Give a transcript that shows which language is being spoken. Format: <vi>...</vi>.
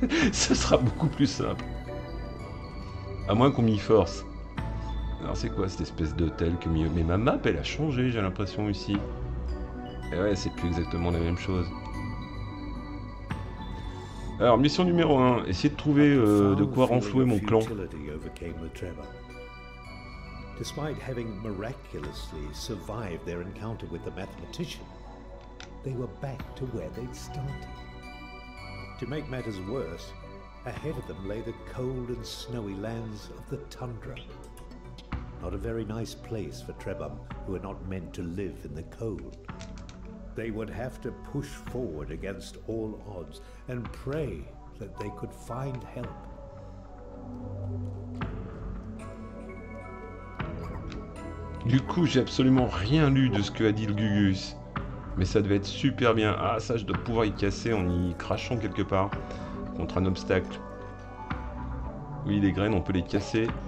<fr>Ça sera beaucoup plus simple. À moins qu'on m'y force. Alors c'est quoi cette espèce d'hôtel que mieux. Mais ma map elle a changé, j'ai l'impression ici. Et ouais, c'est plus exactement la même chose. Alors, mission numéro 1, essayer de trouver de quoi renflouer mon clan.</fr> <en>Despite having miraculously survived their encounter with the mathematician, they were back to where they'd started. To make matters worse, ahead of them lay the cold and snowy lands of the tundra. Not a very nice place for Trebum, who are not meant to live in the cold. They would have to push forward against all odds and pray that they could find help.</en> <fr>Du coup, j'ai absolument rien lu de ce que a dit le Gugus. Mais ça devait être super bien. Ah, ça, je dois pouvoir y casser en y crachant quelque part. Contre un obstacle. Oui, les graines, on peut les casser.</fr>